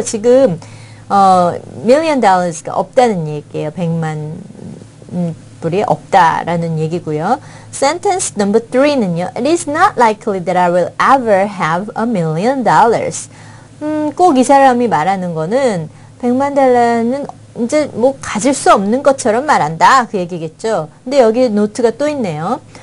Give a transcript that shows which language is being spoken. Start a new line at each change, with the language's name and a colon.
Korean: 지금 $1,000,000가 없다는 얘기예요. 100만 불이 없다라는 얘기고요. Sentence number 3는요.
English: It is not likely that I will ever have $1,000,000.
Korean: 꼭 이 사람이 말하는 거는 100만 달러는 이제 뭐 가질 수 없는 것처럼 말한다 그 얘기겠죠. 근데 여기 노트가 또 있네요.